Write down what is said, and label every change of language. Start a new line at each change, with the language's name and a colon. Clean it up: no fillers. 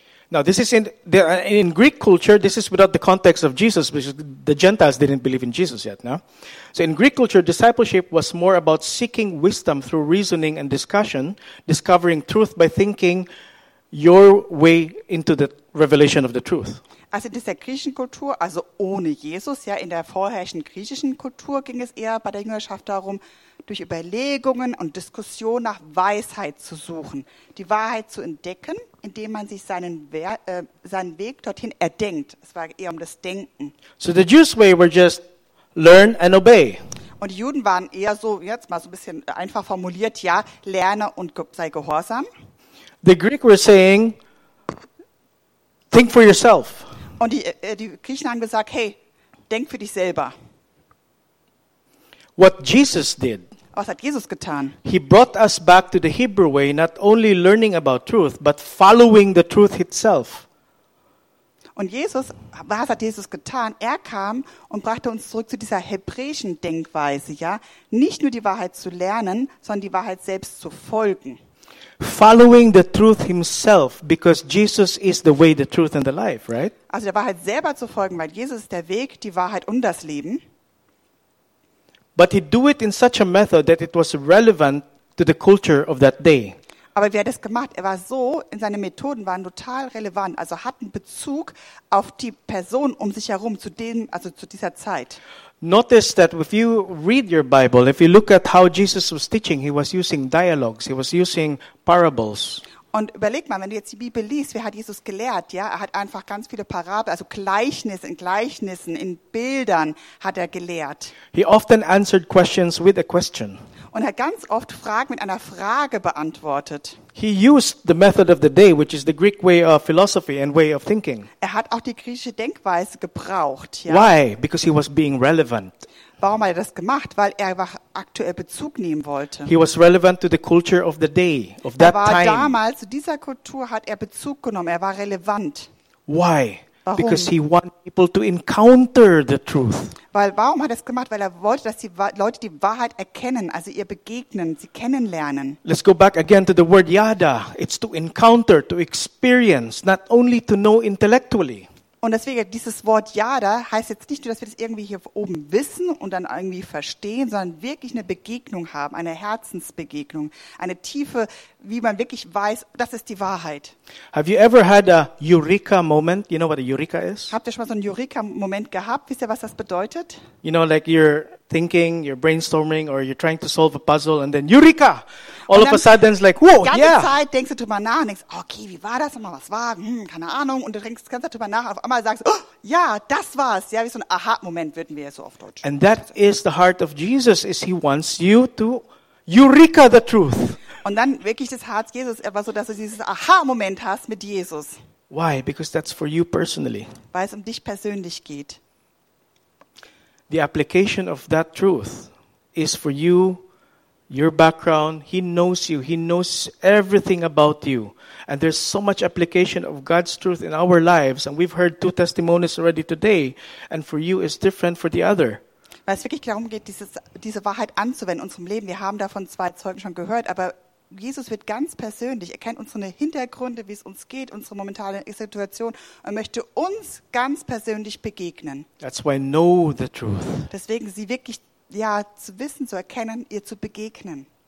English: Now, this is in Greek culture, this is without the context of Jesus, because the Gentiles didn't believe in Jesus yet, no? So in Greek culture, discipleship was more about seeking wisdom through reasoning and discussion, discovering truth by thinking your way into the revelation of the truth.
German: Also in dieser griechischen Kultur, also ohne Jesus, ja, in der vorherrschenden griechischen Kultur ging es eher bei der Jüngerschaft darum, durch Überlegungen und Diskussion nach Weisheit zu suchen, die Wahrheit zu entdecken, indem man sich seinen Weg dorthin erdenkt. Es war eher um das Denken.
English: So the Jews' way were just learn and obey.
German: Und die Juden waren eher so, jetzt mal so ein bisschen einfach formuliert, ja, lerne und sei gehorsam.
English: The Greek were saying, think for yourself.
German: Und die Griechen haben gesagt, hey, denk für dich selber.
English: What Jesus did.
German: Was hat Jesus getan?
English: He brought us back to the Hebrew way, not only learning about truth, but following the truth itself.
German: Und Jesus, was hat Jesus getan? Er kam und brachte uns zurück zu dieser hebräischen Denkweise, ja, nicht nur die Wahrheit zu lernen, sondern die Wahrheit selbst zu folgen.
English: Following the truth himself, because Jesus is the way, the truth and the life, right?
German: Also der Wahrheit selber zu folgen, weil Jesus ist der Weg, die Wahrheit und das Leben.
English: But he do it in such a method that it was relevant to the culture of that day.
German: Aber wie hat er das gemacht? Er war so, in seine Methoden waren total relevant, also hatten Bezug auf die Person um sich herum, zu dem, also zu dieser Zeit.
English: Notice that if you read your Bible, if you look at how Jesus was teaching, he was using dialogues, he was using parables.
German: Und überleg mal, wenn du jetzt die Bibel liest, wie hat Jesus gelehrt? Ja, er hat einfach ganz viele Parabeln, also Gleichnisse in Gleichnissen, in Bildern hat er gelehrt.
English: He often answered questions with a question.
German: Und er hat ganz oft Fragen mit einer Frage beantwortet.
English: He used the method of the day, which is the Greek way of philosophy and way of thinking.
German: Er hat auch die griechische Denkweise gebraucht. Ja.
English: Why? Because he was being relevant.
German: Warum hat er das gemacht? Weil er einfach aktuell Bezug nehmen wollte.
English: He was relevant to the culture of the day, of that time.
German: Er war damals, zu dieser Kultur hat er Bezug genommen, er war relevant.
English: Why?
German: Warum?
English: Because he wanted people to encounter the truth.
German: Weil warum hat er es gemacht? Weil er wollte, dass die Leute die Wahrheit erkennen, also ihr begegnen, sie kennenlernen.
English: Let's go back again to the word yada. It's to encounter, to experience, not only to know intellectually.
German: Und deswegen, dieses Wort yada heißt jetzt nicht nur, dass wir das irgendwie hier oben wissen und dann irgendwie verstehen, sondern wirklich eine Begegnung haben, eine Herzensbegegnung, eine Tiefe, wie man wirklich weiß, das ist die Wahrheit.
English: Have you ever had a eureka moment? You know what a eureka is?
German: Habt ihr schon mal so einen eureka Moment gehabt? Wisst ihr, was das bedeutet?
English: You know, like you're thinking, you're brainstorming or you're trying to solve a puzzle and then eureka! All of a sudden, it's like, whoa, yeah!
German: Die ganze Zeit denkst du drüber nach und denkst, okay, wie war das nochmal, was war? Keine Ahnung. Und du denkst die ganze Zeit drüber nach und auf einmal sagst, oh, ja, das war's. Ja, wie so ein Aha-Moment würden wir ja so auf Deutsch sagen.
English: And that is the heart of Jesus, is he wants you to eureka the truth.
German: Und dann wirklich das Herz Jesus, einfach so, dass du dieses Aha-Moment hast mit Jesus.
English: Why? Because that's for you personally.
German: Weil es um dich persönlich geht.
English: The application of that truth is for you, your background. He knows you. He knows everything about you. And there's so much application of God's truth in our lives. And we've heard two testimonies already today. And for you, it's different for the other.
German: Weil es wirklich darum geht, diese Wahrheit anzuwenden in unserem Leben. Wir haben davon zwei Zeugen schon gehört, aber Jesus wird ganz persönlich. Er kennt unsere Hintergründe, wie es uns geht, unsere momentane Situation und möchte uns ganz persönlich begegnen.
English: That's why know the truth.
German: Deswegen sie wirklich ja zu wissen, zu erkennen, ihr zu begegnen.